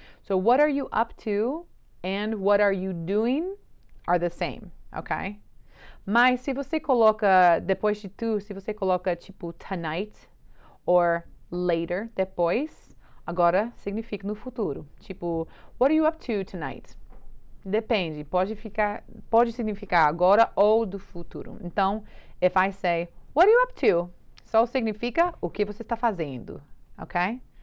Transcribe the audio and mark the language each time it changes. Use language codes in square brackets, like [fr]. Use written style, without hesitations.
[en] So, what are you up to and what are you doing are the same, okay? [pt] Mas se você coloca, depois de tu, se você coloca tipo [en] tonight or later, [pt] depois, agora significa no futuro. Tipo, [en] what are you up to tonight? [pt] Depende, pode significar agora ou do futuro. [en] Então, if I say, what are you up to? [pt] Só significa o que você está fazendo, okay?